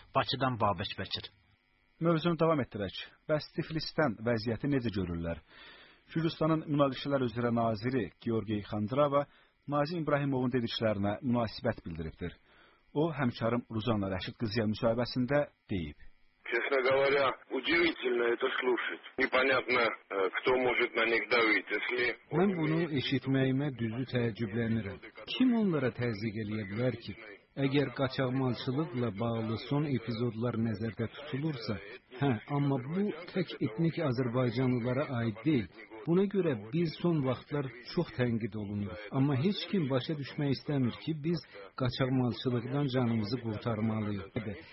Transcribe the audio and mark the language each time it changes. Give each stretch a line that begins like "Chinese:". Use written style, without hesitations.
Azerbaijani: Bakıdan Babək Bəkir. Mövzunu davam etdirək. Bəs Tiflisdən vəziyyəti necə görürlər? Gürcüstanın münaqişələr üzrə naziri Georgi Xandrava Nazim İbrahimovun dediklərinə münasibət bildiribdir. O, həmkarım Ruzanla Rəşid qızıya müsahibəsində deyib.
Russian: Честно говоря, удивительно это слушать. Непонятно, кто может на них давить, если...
Kazakh: Мен бұны
Azerbaijani: eşitməyimə düzü təəccüblənirəm. Kim onlara təzyiq eləyə bilər ki, əgər qaçaqmalçılıqla bağlı son epizodlar nəzərdə tutulursa, hə, amma bu tək etnik azərbaycanlılara aid deyil. Buna görə biz son vaxtlar çox tənqid olunuruq. Amma heç kim başa düşmək istəmir ki, biz qaçaqmalçılıqdan canımızı qurtarmalıyıq.